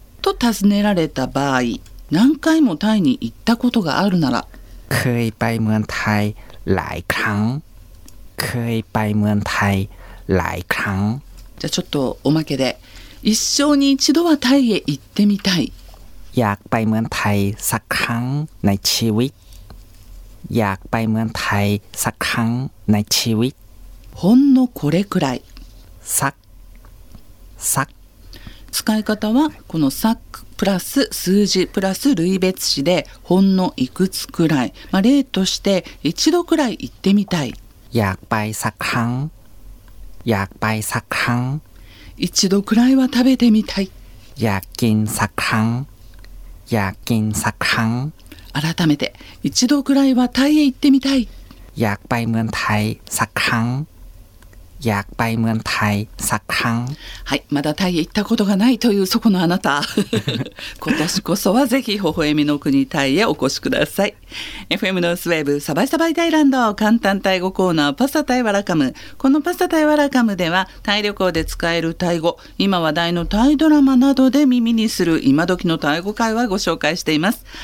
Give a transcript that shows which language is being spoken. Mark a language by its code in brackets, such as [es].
[ja] と尋ねられた場合、何回もタイに行ったことがあるならクイバイムンタイ来康クイバイムンタイ来康。じゃあちょっとおまけで、一生に一度はタイへ行ってみたい。 [th] อยากไปเมืองไทยสักครั้งในชีวิตอยากไปเมืองไทยสักครั้งในชีวิต [ja] ほんのこれくらい [th] สักสัก [ja] 使い方はこのสักプラス数字プラス類別詞でほんのいくつくらい、まあ、例として一度くらい行ってみたい。 [th] อยากไปสักครั้งอยากไปสักครั้ง [ja] 一度くらいは食べてみたい。 [th] อยากกินสักครั้งอยากกินสักครั้ง [ja] 改めて一度くらいはタイへ行ってみたい。 [th] อยากไปเมืองไทยสักครั้งอยากไปเมืองไทยสักครั้ง [ja] はい、まだタイへ行ったことがないというそこのあなた今年こそはぜひ微笑みの国タイへお越しください。 FM ノースウェーブサバイサバイタイランド、簡単タイ語コーナーパサタイワラカム。このパサタイワラカムではタイ旅行で使えるタイ語、今話題のタイドラマなどで耳にする今時のタイ語会話をご紹介しています。